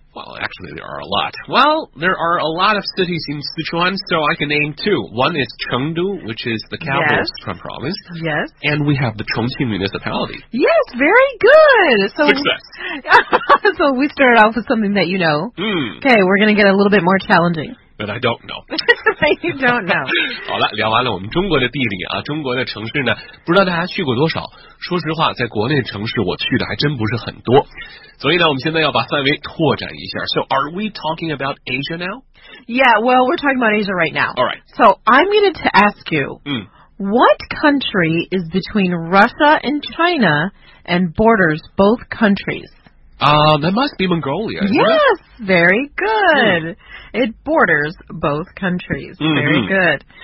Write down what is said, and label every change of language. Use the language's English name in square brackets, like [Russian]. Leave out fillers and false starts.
[English] Well, actually, there are a lot. Well, there are a lot of cities in Sichuan, so I can name two. One is Chengdu, which is the capital of Sichuan province. Yes. And we have the Chongqing municipality. Yes, very good. So success. So we started off with something that you know. Okay, we're going to get a little bit more challenging. But I don't know. You don't know. [Chinese] 好了，聊完了我们中国的地理啊，中国的城市呢，不知道大家去过多少。说实话，在国内城市我去的还真不是很多。所以呢，我们现在要把范围拓展一下。 [English] So are we talking about Asia now? Yeah, well, we're talking about Asia right now. All right. So I'm going to ask you, what country is between Russia and China and borders both countries? That must be Mongolia. Yes, very good. Yeah. It borders both countries. Very good.